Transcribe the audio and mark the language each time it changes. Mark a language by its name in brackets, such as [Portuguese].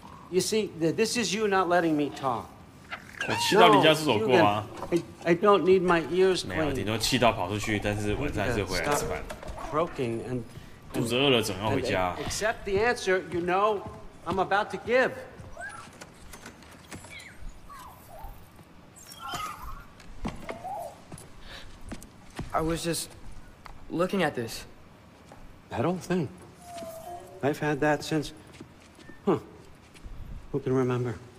[English] You see, this is you not letting me talk. [Chinese] 我气到离家出走过吗？ [English] I don't need my ears cleaned. [Chinese] 没有，顶多气到跑出去，但是晚上还是回来吃饭。 [English] Croaking and [Chinese] 肚子饿了，总要回家。 [English] Accept the answer, you know, I'm about to give. I was just looking at this. That old thing. I've had that since... Huh. Who can remember?